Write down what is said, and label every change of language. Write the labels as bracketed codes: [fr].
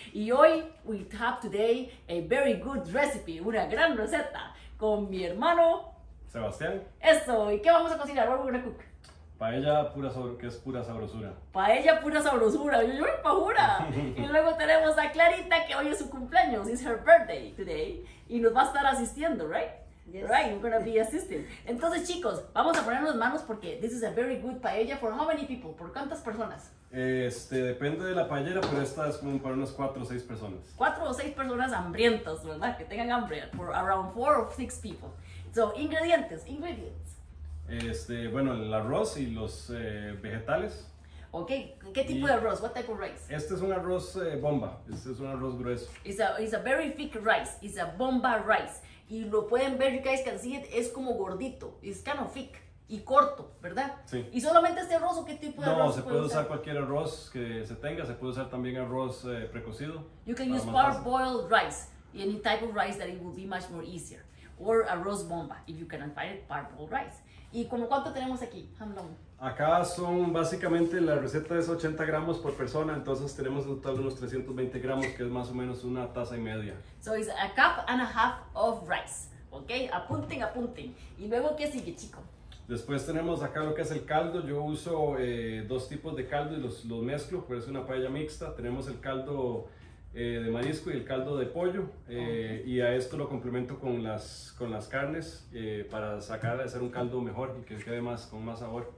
[es] Y hoy, [en] we have today a very good recipe, [es] una gran receta con mi hermano... Sebastián. ¡Eso! ¿Y qué vamos a cocinar? [en] ¿What are we going to cook? [es] Paella pura que es pura sabrosura. Paella pura sabrosura, yo me pajura. Y luego tenemos a Clarita que hoy es su cumpleaños. [en] It's her birthday today. [es] Y nos va a estar asistiendo, [en] right? Yes. Right, we're gonna be assisting. [es] Entonces chicos, vamos a ponernos manos porque [en] this is a very good paella for how many people? [es] ¿Por cuántas personas? Depende de la paellera, pero esta es como para unas 4 o 6 personas. 4 o 6 personas hambrientas, ¿verdad? Que tengan hambre. [en] For around 4 or 6 people. [es] So, ingredientes. Bueno, el arroz y los vegetales. Ok, ¿qué tipo de arroz? [en] What type of rice? [es] Este es un arroz bomba, este es un arroz grueso. [en] It's a very thick rice, it's a bomba rice. [es] Y lo pueden ver, [en] you guys can see it, [es] es como gordito, [en] it's kind of thick [es] y corto, ¿verdad? Sí. ¿Y solamente este arroz o qué tipo de arroz? No, se puede usar cualquier arroz que se tenga, se puede usar también arroz precocido. [en] You can use parboiled rice, any type of rice that it will be much more easier. Or arroz bomba, if you cannot find it, parboiled rice. [es] ¿Y como cuánto tenemos aquí? [en] How long? [es] Acá son básicamente, la receta es 80 gramos por persona, entonces tenemos un total de unos 320 gramos, que es más o menos una taza y media. [en] So it's a cup and a half of rice, ok? [es] Apunten. ¿Y luego qué sigue, chico? Después tenemos acá lo que es el caldo. Yo uso dos tipos de caldo y los mezclo, pero es una paella mixta. Tenemos el caldo de marisco y el caldo de pollo, y a esto lo complemento con las carnes para hacer un caldo mejor y que quede más con más sabor.